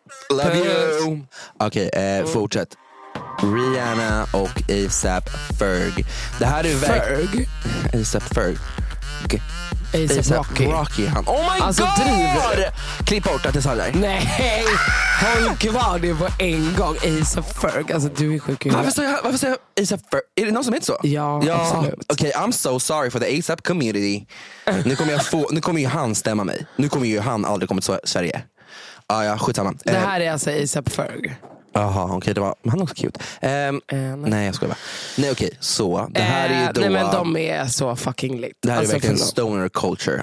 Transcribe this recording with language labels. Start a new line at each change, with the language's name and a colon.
Swedish: Love you. Okej, fortsätt. Rihanna och A$AP Ferg. Det här är Ferg. A$AP Ferg. A$AP Rocky. Rocky han. Oh my alltså, god. Driver. Klipp bort att det sa dig. Nej. Håll kvar det på en gång. A$AP Ferg. Alltså du är sjuk. Varför säger jag A$AP Ferg? Är det någon som heter så? Ja, ja. Absolut.
English: Okej, okay, I'm so sorry for the A$AP community.
Swedish: Nu kommer ju han stämma mig. Nu kommer ju han aldrig komma till Sverige. Ja, skitsamma. Det här är alltså A$AP Ferg. Jaha, okej, okay, det var, han var så cute. Nej, jag skojar bara. Nej, okej, okay, så, det här är då... Nej, men de är så fucking lit. Det här alltså, är verkligen stoner culture.